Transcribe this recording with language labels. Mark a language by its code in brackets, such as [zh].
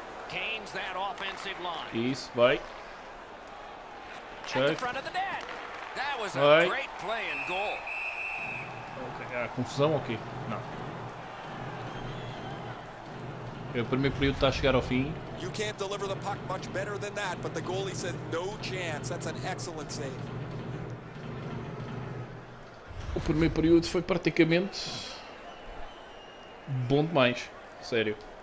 [en] Kane's that offensive line. [pt] Isso, vai. [en] Check. At the front of the net. That was a great play and goal. [pt] Okay. Ah, confusão aqui. Não. O primeiro período está a chegar ao fim. [en] You can't deliver the puck much better than that, but the goalie said no chance. That's an excellent save. [pt] O primeiro período foi praticamente bom demais, sério.